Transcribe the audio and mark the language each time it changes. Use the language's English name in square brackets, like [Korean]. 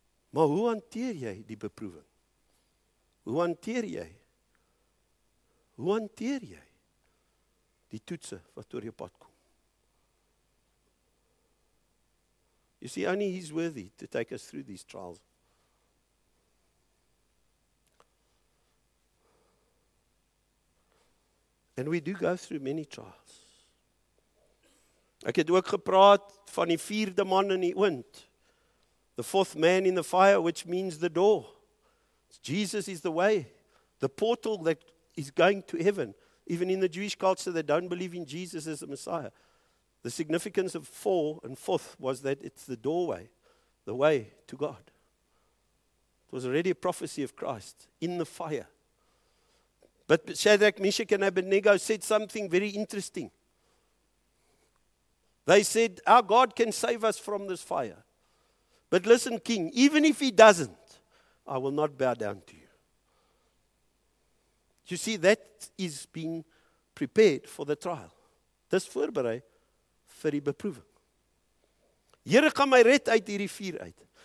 [Afrikaans] Maar hoe hanteer jy die beproeving? Hoe hanteer jy? Hoe hanteer jy die toetse wat oor jou pad kom? [English] You see, only He's worthy to take us through these trials. And we do go through many trials. [Afrikaans] Ek het ook gepraat van die vierde man in die oond. [English] The fourth man in the fire, which means the door. Jesus is the way, the portal that is going to heaven. Even in the Jewish culture, they don't believe in Jesus as the Messiah. The significance of four and fourth was that it's the doorway, the way to God. It was already a prophecy of Christ in the fire. But Shadrach, Meshach, and Abednego said something very interesting. They said, our God can save us from this fire. But listen, King, even if He doesn't, I will not bow down to you. You see, that is being prepared for the trial. [Afrikaans] Dis voorberei vir die beproeving. Here gaan my red uit hierdie vuur uit.